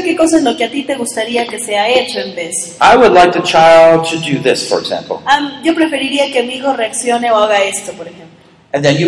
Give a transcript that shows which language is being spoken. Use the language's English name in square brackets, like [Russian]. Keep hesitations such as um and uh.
[Spanish] qué cosa es lo que a ti te gustaría que se sea hecho en vez. [English] I would like to to do this, for example. [Spanish] Um, yo preferiría que mi hijo reaccione o haga esto, por ejemplo. And